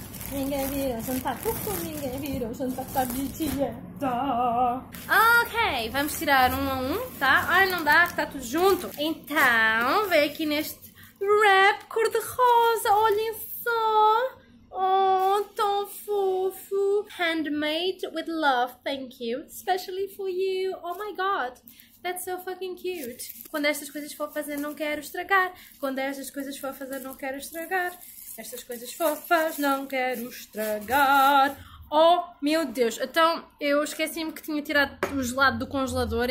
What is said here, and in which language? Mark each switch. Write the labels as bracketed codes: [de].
[pt] Ninguém vira jantar. Porque ninguém vira jantar tarde de dia. Tá. Ok, vamos tirar um a um, tá? Ai, não dá, está tudo junto. Então, vem aqui neste wrap cor-de-rosa. Olhem só. Oh, tão fofo. [en] Handmade with love, thank you. Especially for you. Oh my God. That's so fucking cute. [pt] Quando estas coisas for fazer, não quero estragar. Quando estas coisas for fazer, não quero estragar. Estas coisas fofas, não quero estragar. Oh, meu Deus. Então, eu esqueci-me que tinha tirado o gelado do congelador.